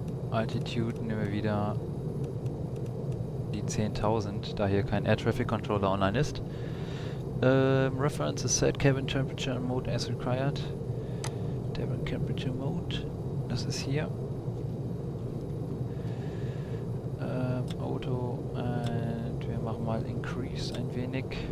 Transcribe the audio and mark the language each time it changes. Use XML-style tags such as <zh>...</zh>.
<de>Altitude nehmen wir wieder die 10.000, da hier kein Air Traffic Controller online ist.</de> <en>References set, cabin temperature and mode as required.</en> <de>Cabin temperature mode, das ist hier. Auto, und wir machen mal increase ein wenig.</de>